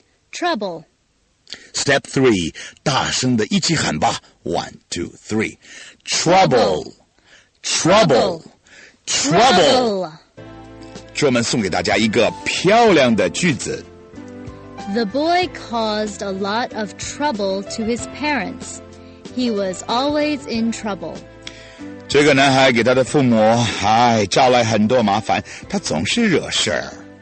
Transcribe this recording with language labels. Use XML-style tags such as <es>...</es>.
<en>Trouble. Step 3,</en> <zh>大声的一起喊吧。1, 2, 3. Trouble,</zh> <en>trouble, trouble.</en> <zh>专门送给大家一个漂亮的句子。</zh> <en>The boy caused a lot of trouble to his parents. He was always in trouble.</en> <zh>这个男孩给他的父母，哎，招来很多麻烦，他总是惹事儿。</zh>